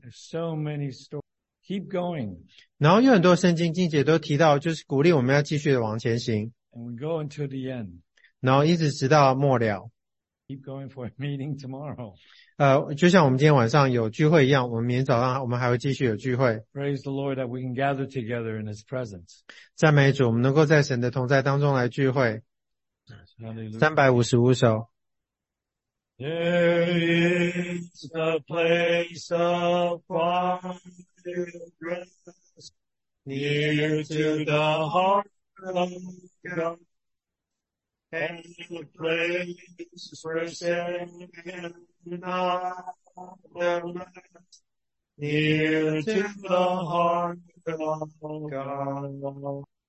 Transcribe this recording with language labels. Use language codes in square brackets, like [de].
[en] There's so many stories. Keep going. [zh] 然后有很多圣经经节都提到就是鼓励我们要继续的往前行。 [en] And we go until the end. [zh] 然后一直直到末了。 [en] Keep going for a meeting tomorrow. [zh] 就像我们今天晚上有聚会一样，我们明天早上我们还会继续有聚会。 [en] Praise the Lord that we can gather together in His presence. [zh] 赞美主，我们能够在神的同在当中来聚会。 355首。 [en] There is a place of quiet rest near to the heart of God. And the place where sin cannot rest, near to the heart of God.